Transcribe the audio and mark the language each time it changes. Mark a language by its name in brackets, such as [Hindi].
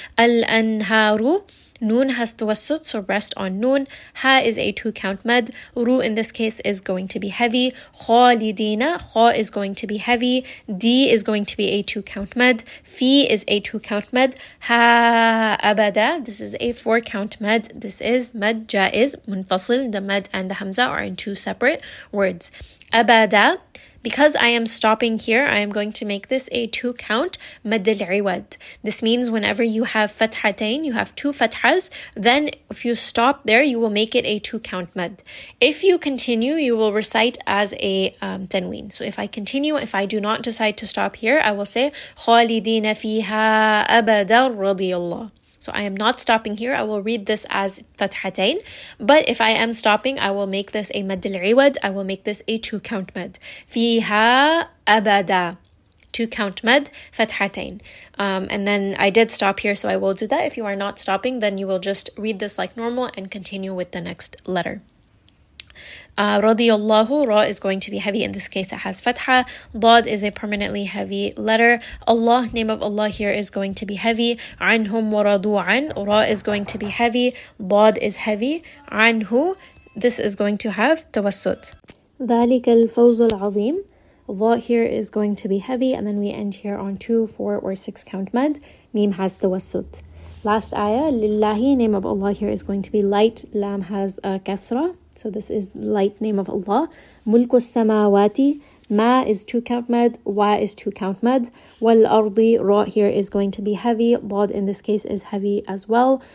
[English] الأنهار, نون has توسط, so rest on نون. ها is a 2 count مد. رو in this case is going to be heavy. خالدين, خا is going to be heavy. D is going to be a 2 count مد. في is a 2 count مد. ها أبدا, this is a 4 count مد. This is مد جائز منفصل. The مد and the همزة are in 2 separate words. أبدا, because I am stopping here, I am going to make this a 2 count مد العواد. This means whenever you have فتحتين, you have 2 فتحز, then if you stop there, you will make it a 2 count مد. If you continue, you will recite as a تنوين. So if I continue, if I do not decide to stop here, I will say [Arabic] خالدين فيها أبدا رضي الله. [English] So I am not stopping here. I will read this as فتحتين. But if I am stopping, I will make this a مد العواد. I will make this a 2 count مد. [Arabic] فيها أبدا. [English] 2 count مد فتحتين. And then I did stop here, so I will do that. If you are not stopping, then you will just read this like normal and continue with the next letter. رضي الله, را is going to be heavy. In this case, it has فتحة. ضاد is a permanently heavy letter. Allah, name of Allah here is going to be heavy. [Arabic] عنهم ورضوا عن, [English] را is going to be heavy. ضاد is heavy. عنه, this is going to have توسط. [Arabic] ذلك الفوز العظيم. [English] ضاء here is going to be heavy. And then we end here on 2, 4, or 6 count مد. ميم has توسط. Last ayah, لله, name of Allah here is going to be light. لام has كسرة. So this is light name of Allah. [Arabic] ملك السماوات. [English] ما is 2 count مد. وا is 2 count مد. [Arabic] والأرض. [English] را here is going to be heavy. ضاد in this case is heavy as well.